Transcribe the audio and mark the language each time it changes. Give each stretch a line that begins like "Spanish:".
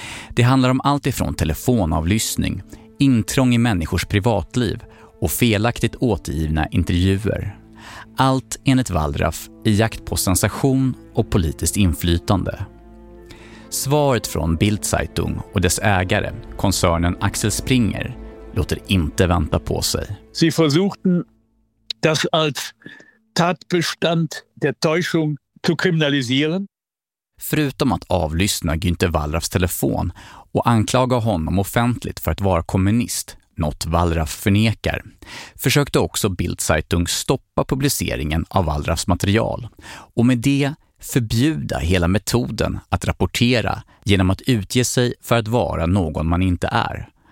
Swedish: Det handlar om allt ifrån telefonavlyssning, intrång i människors privatliv och felaktigt återgivna intervjuer. Allt enligt Wallraff i jakt på sensation och politiskt inflytande. Svaret från Bildzeitung och dess ägare, koncernen Axel Springer, låter inte vänta på sig.
German: Sie versuchten das als Tatbestand der Täuschung zu kriminalisieren.
Swedish: Förutom att avlyssna Günter Wallraffs telefon och anklaga honom offentligt för att vara kommunist, något Wallraff förnekar, försökte också Bildzeitung stoppa publiceringen av Wallraffs material och med det förbjuda hela metoden att rapportera genom att utge sig för att vara någon man inte är.